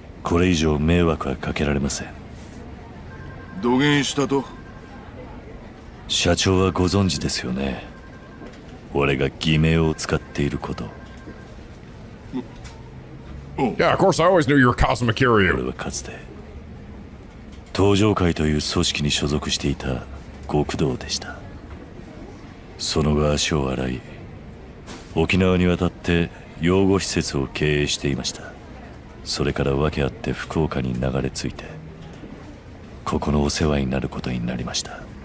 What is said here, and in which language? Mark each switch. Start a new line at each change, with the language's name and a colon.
Japanese: これ以上迷惑はかけられません。どげんしたと。社長はご存知ですよね。俺が偽名を使っていること。
English: Yeah, of course, I always knew you were Cosmic Kiryu.
Japanese: 俺はかつて、東城会という組織に所属していた極道でした。その後足を洗い、沖縄に渡って養護施設を経営していました。それから訳あって福岡に流れ着いて、ここのお世話になることになりました。